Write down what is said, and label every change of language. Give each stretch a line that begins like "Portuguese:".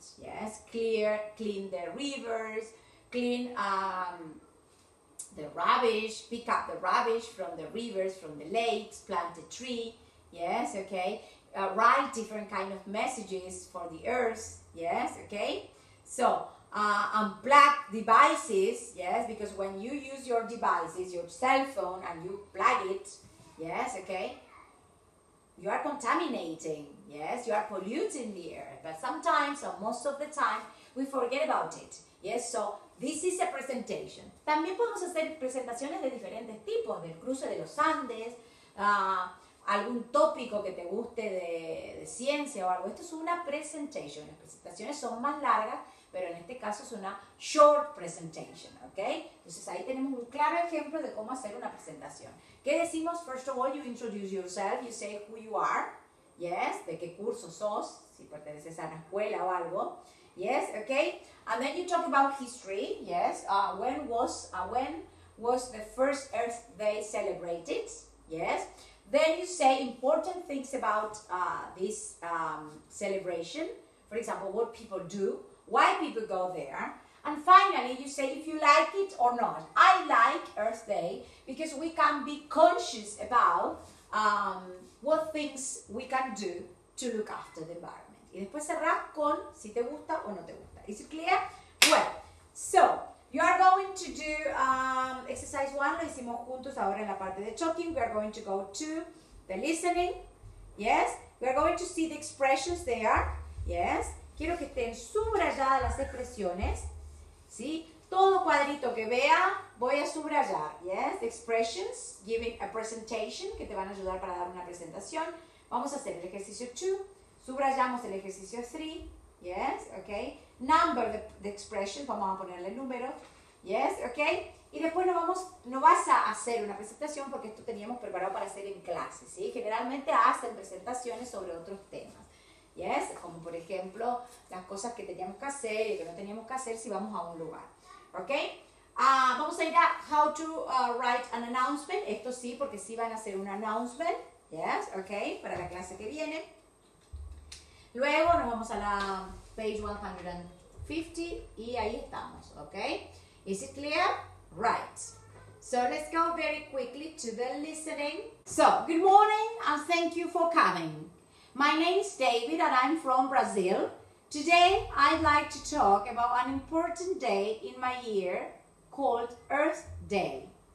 English: Yes, clean the rivers, clean the rubbish, pick up the rubbish from the rivers, from the lakes, plant a tree, yes, okay, write different kind of messages for the Earth, yes, okay, so unplug devices, yes, because when you use your devices, your cell phone, and you plug it, yes, okay, you are contaminating, yes, you are polluting the air. But sometimes, or most of the time, we forget about it, yes, so this is a presentation.
Spanish: También podemos hacer presentaciones de diferentes tipos, del cruce de los Andes, algún tópico que te guste de ciencia o algo. Esto es una presentation. Las presentaciones son más largas, pero en este caso es una short presentation, ok? Entonces ahí tenemos un claro ejemplo de cómo hacer una presentación. ¿Qué decimos?
English: First of all, you introduce yourself, you say who you are, yes, de qué curso sos, si perteneces a una escuela o algo, yes, okay, and then you talk about history, yes, when was the first Earth Day celebrated, yes, then you say important things about this celebration, for example, what people do, why people go there, and finally, you say if you like it or not. I like Earth Day because we can be conscious about what things we can do to look after the environment.
Spanish: Y después cerrar con si te gusta o no te gusta.
English: Is it clear? Well, so, you are going to do exercise one.
Spanish: Lo hicimos juntos ahora en la parte de talking.
English: We are going to go to the listening. Yes? We are going to see the expressions there.
Spanish: Yes? Quiero que estén subrayadas las expresiones. ¿Sí? Todo cuadrito que vea, voy a subrayar. Yes, the expressions, giving a presentation, que te van a ayudar para dar una presentación. Vamos a hacer el ejercicio 2. Subrayamos el ejercicio 3. Yes, okay.
English: Number the expression, vamos a ponerle número. Yes, okay.
Spanish: Y después no vas a hacer una presentación porque esto teníamos preparado para hacer en clase, ¿sí? Generalmente hacen presentaciones sobre otros temas. Yes, como por ejemplo las cosas que teníamos que hacer y que no teníamos que hacer si vamos a un lugar.
English: Okay?
Spanish: Vamos a ir a how to write an announcement. Esto sí, porque sí van a hacer un announcement. Yes, okay, para la clase que viene. Luego nos vamos a la page 150 y ahí estamos.
English: Okay? Is it clear? Right. So let's go very quickly to the listening. So, good morning and thank you for coming. My name is David and I'm from Brazil. Today I'd like to talk about an important day in my year called Earth Day.